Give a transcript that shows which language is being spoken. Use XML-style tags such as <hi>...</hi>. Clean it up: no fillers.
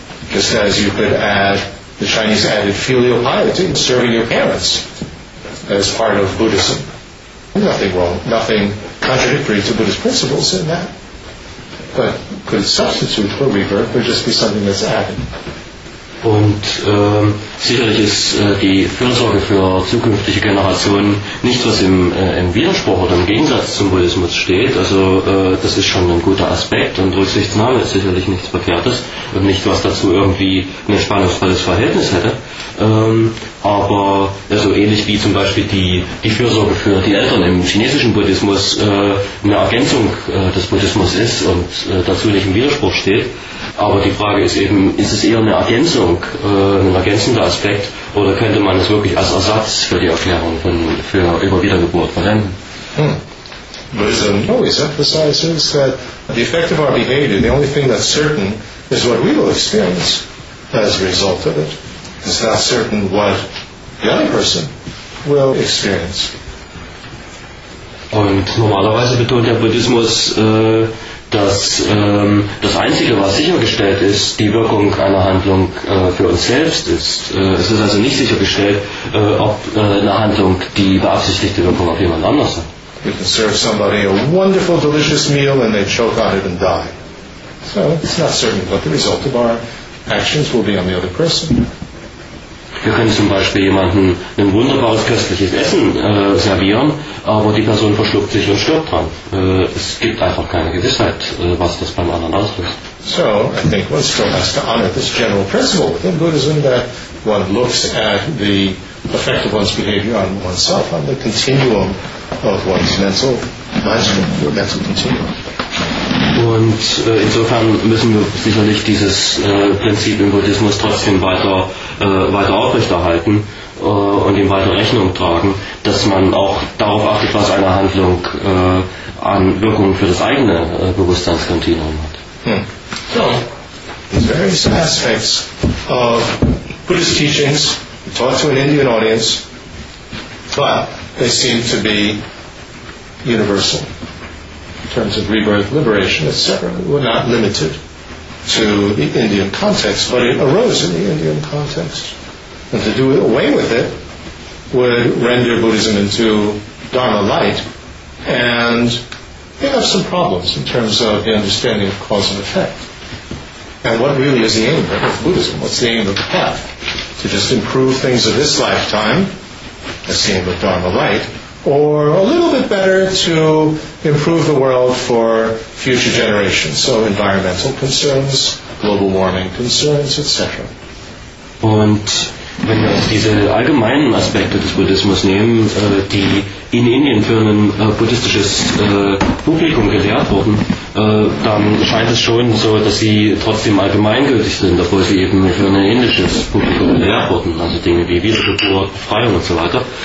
<en>Just as you could add the Chinese added filial piety, serving your parents, as part of Buddhism. Nothing wrong, nothing contradictory to Buddhist principles in that. But could substitute for rebirth or just be something that's added.</en> <de>Und sicherlich ist die Fürsorge für zukünftige Generationen nichts, was im Widerspruch oder im Gegensatz zum Buddhismus steht. Also das ist schon ein guter Aspekt, und Rücksichtnahme ist sicherlich nichts Verkehrtes und nicht, was dazu irgendwie ein spannungsvolles Verhältnis hätte. Aber so also ähnlich wie zum Beispiel die Fürsorge für die Eltern im chinesischen Buddhismus eine Ergänzung des Buddhismus ist und dazu nicht im Widerspruch steht. Aber die Frage ist eben, ist es eher eine Ergänzung, ein ergänzender Aspekt, oder könnte man es wirklich als Ersatz für die Erklärung für über Wiedergeburt verwenden?</de> <en>Buddhism always emphasizes that the effect of our behavior, the only thing that's certain, is what we will experience as a result of it. It's not certain what the other person will experience.</en> <de>Und normalerweise betont der Buddhismus, dass das Einzige, was sichergestellt ist, die Wirkung einer Handlung für uns selbst ist. Es ist also nicht sichergestellt, ob eine Handlung die beabsichtigte Wirkung auf jemand anders hat.</de> <en>We can serve somebody a wonderful, delicious meal and they choke on it and die. So it's not certain what the result of our actions will be on the other person.</en> <de>Wir können zum Beispiel jemanden ein wunderbares köstliches Essen servieren, aber die Person verschluckt sich und stirbt dran. Es gibt einfach keine Gewissheit, was das beim anderen auslöst.</de> <en>So, I think one still has to honor this general principle within Buddhism that one looks at the effect of one's behavior on oneself, on the continuum of one's mental management, your mental continuum.</en> <de>Und insofern müssen wir sicherlich dieses Prinzip im Buddhismus trotzdem weiter aufrechterhalten und ihm weiter Rechnung tragen, dass man auch darauf achtet, was eine Handlung an Wirkung für das eigene Bewusstseinskontinuum hat.</de> <en>So, these various aspects of Buddhist teachings taught to an Indian audience, but they seem to be universal. In terms of rebirth, liberation, etc., were not limited to the Indian context, but it arose in the Indian context. And to do away with it would render Buddhism into Dharma light, and we have some problems in terms of the understanding of cause and effect. And what really is the aim of Buddhism? What's the aim of the path? To just improve things of this lifetime, that's the aim of Dharma light, or a little bit better to improve the world for future generations, so environmental concerns, global warming concerns, etc.</en> <de>Und wenn wir diese allgemeinen Aspekte des Buddhismus nehmen, die in Indien für ein buddhistisches Publikum gelehrt wurden, dann scheint es schon so, dass sie trotzdem allgemeingültig sind, obwohl sie eben für ein indisches Publikum gelehrt wurden, also Dinge wie Wiedergeburt, Befreiung und so weiter.</de>